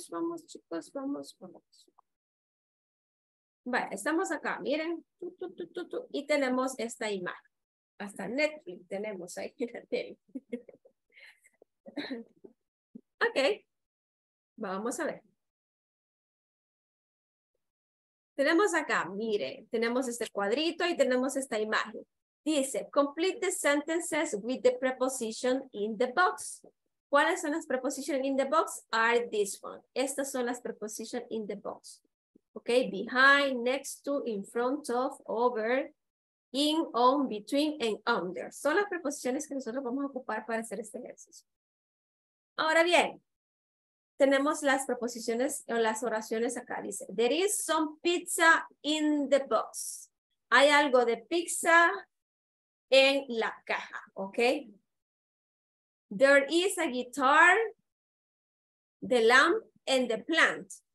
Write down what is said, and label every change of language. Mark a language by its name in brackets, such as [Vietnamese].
[Spanish] Vamos, chicos. Vale, estamos acá, miren, tú, y tenemos esta imagen. Hasta Netflix tenemos ahí en la tele. Ok, vamos a ver. Tenemos acá, miren, tenemos este cuadrito y tenemos esta imagen. [English] Dice, complete the sentences with the preposition in the box. [Spanish] ¿Cuáles son las [English] prepositions in the box? Are this one. [Spanish] Estas son las [English] prepositions in the box. Ok, behind, next to, in front of, over, in, on, between, and under. [Spanish] Son las preposiciones que nosotros vamos a ocupar para hacer este ejercicio. Ahora bien, tenemos las preposiciones o las oraciones acá. [English] Dice, there is some pizza in the box. [Spanish] Hay algo de pizza en la caja, ok. [English] There is a guitar, the lamp, and the plant.